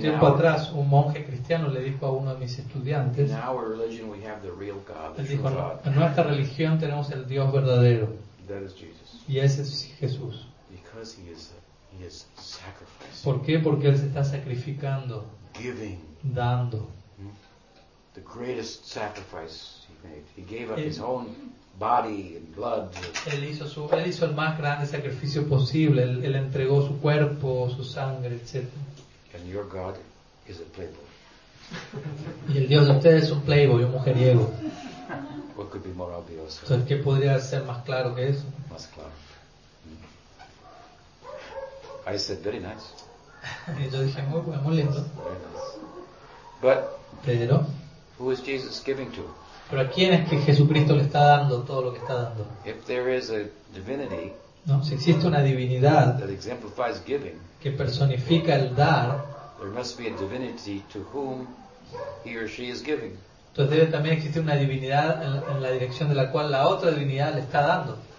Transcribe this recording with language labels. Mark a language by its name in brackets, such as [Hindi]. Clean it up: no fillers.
[Spanish] tiempo atrás, un monje cristiano le dijo a uno de mis estudiantes, él dijo, en nuestra religión tenemos el Dios verdadero, y ese es Jesús. [English] Because he is sacrificing. [Spanish] ¿Por qué? Porque él se está sacrificando. [English] Giving. [Spanish] Dando. [English] The greatest sacrifice he made. He gave up his own body and blood. [Spanish] Él hizo el más grande sacrificio posible. Él entregó su cuerpo, su sangre, etc. [English] And your God is a playboy. [Spanish] Y el Dios de ustedes es un playboy, un mujeriego. [English] What could be more obvious? [Spanish] Entonces, ¿qué podría ser más claro que eso? Más claro. [English] I said, very nice. [Spanish] Yo dije, muy lindo. [English] Very nice. But, [Spanish] pero, [English] who is Jesus giving to? [Spanish] ¿Pero a quién es que Jesucristo le está dando todo lo que está dando? [English] If there is a divinity, [Spanish] no, si existe una divinidad [English] that exemplifies giving, [Spanish] que personifica el dar, [English] there must be a divinity to whom he or she is giving. [Spanish] Entonces debe también existir una divinidad en la dirección de la cual la otra divinidad le está dando.